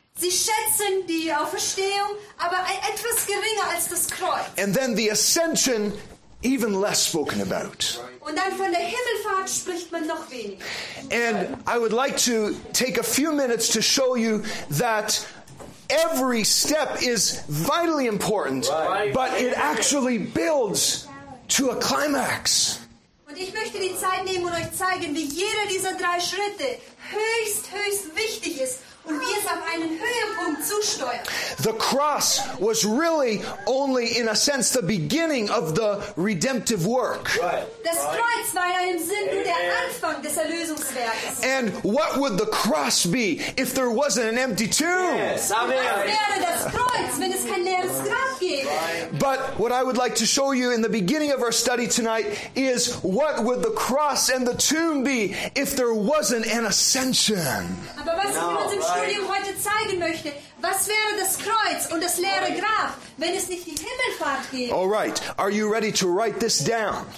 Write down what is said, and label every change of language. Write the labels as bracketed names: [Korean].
[German] Sie schätzen die Auferstehung, aber etwas geringer als das Kreuz. [English] And then the ascension, even less spoken about. [German] Und dann von der Himmelfahrt spricht man noch weniger. [English] And I would like to take a few minutes to show you that. Every step is vitally important, right. but it actually builds to a climax. [German] Und ich möchte die Zeit nehmen und euch zeigen, wie jeder dieser drei Schritte höchst wichtig ist und wie es auf einen Höhepunkt zusteuert. [English] The cross was really only, in a sense, the beginning of the redemptive work. Right. [German] Das Kreuz war ja im Sinn nur der Anfang des Erlösungswerkes. [English] And what would the cross be if there wasn't an empty tomb? Yes, amen. [German] Was wäre das Kreuz, wenn es kein leeres Grab gäbe? [English] But what I would like to show you in the beginning of our study tonight is what would the cross and the tomb be if there wasn't an ascension? [German] Aber was ich uns im Studium heute zeigen möchte, was wäre das Kreuz und das leere Grab, wenn es nicht die Himmelfahrt gäbe? [English] All right, are you ready to write this down?